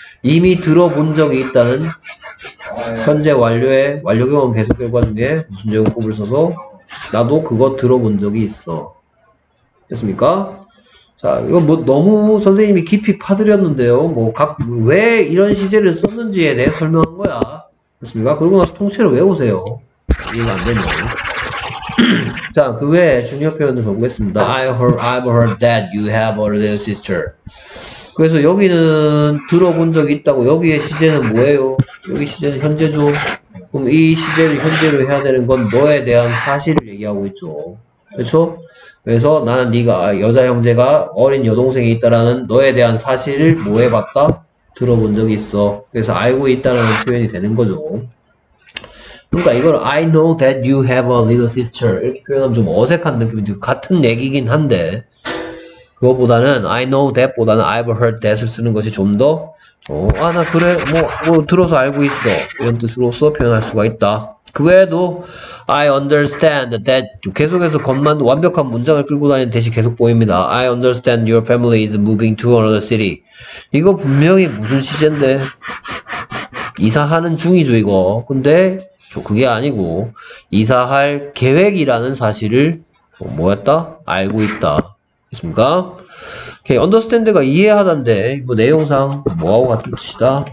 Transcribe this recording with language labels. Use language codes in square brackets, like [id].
[ko] 이미 들어본 적이 있다는 현재 완료의 완료경험 계속 결과 중에 무슨 제목을 써서 나도 그거 들어본 적이 있어. 됐습니까? 자, 이거 뭐 너무 선생님이 깊이 파드렸는데요. 뭐 각 왜 이런 시제를 썼는지에 대해 설명한 거야. 됐습니까? 그리고 나서 통째로 외우세요. 이해가 안 되면. 자, 그 외에 중요 표현을 적어보겠습니다. [en] I've heard that you have a little sister. [ko] 그래서 여기는 들어본 적이 있다고. 여기의 시제는 뭐예요? 여기 시제는 현재죠. 그럼 이 시제를 현재로 해야 되는 건 너에 대한 사실을 얘기하고 있죠. 그렇죠? 그래서 나는 네가 여자 형제가 어린 여동생이 있다라는 너에 대한 사실을 뭐 해봤다? 들어본 적이 있어. 그래서 알고 있다라는 표현이 되는 거죠. 그러니까 이걸 [en] I know that you have a little sister [ko] 이렇게 표현하면 좀 어색한 느낌이 들고 같은 얘기긴 한데 그거보다는 I know that 보다는 [en] I've heard that [ko] 을 쓰는 것이 좀 더 아 나 그래 뭐 들어서 알고 있어 이런 뜻으로서 표현할 수가 있다. 그 외에도 I understand that 계속해서 겉만 완벽한 문장을 끌고 다니는 대신 계속 보입니다. [en] I understand your family is moving to another city. [ko] 이거 분명히 무슨 시제인데 이사하는 중이죠 이거. 근데 저 그게 아니고 이사할 계획이라는 사실을 뭐였다? 알고 있다. 있습니까? 오케이, understand가 이해하다인데 뭐 내용상 뭐하고 같은 뜻이다?